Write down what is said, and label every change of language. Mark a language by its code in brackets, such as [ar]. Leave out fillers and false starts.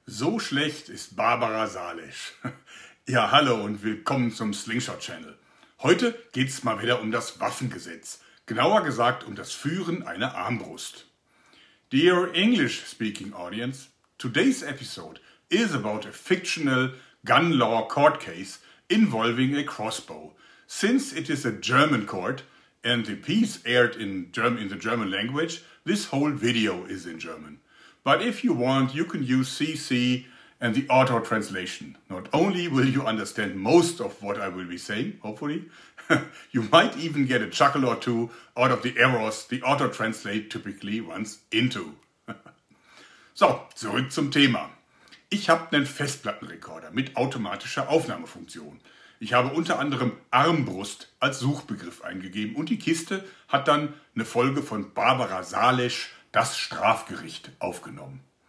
[de] So schlecht ist Barbara Salisch. Ja, hallo und willkommen zum Slingshot Channel. Heute geht's mal wieder um das Waffengesetz. Genauer gesagt um das Führen einer Armbrust. [en] Dear English speaking audience, today's episode is about a fictional gun law court case involving a crossbow. Since it is a German court and the piece aired in the German language, this whole video is in German. But if you want, you can use CC and the auto translation. Not only will you understand most of what I will be saying, hopefully, you might even get a chuckle or two out of the errors the auto translate typically runs into. [de] So, zurück zum Thema. Ich habe einen Festplattenrekorder mit automatischer Aufnahmefunktion. Ich habe unter anderem Armbrust als Suchbegriff eingegeben und die Kiste hat dann eine Folge von Barbara Salisch, das Strafgericht, aufgenommen.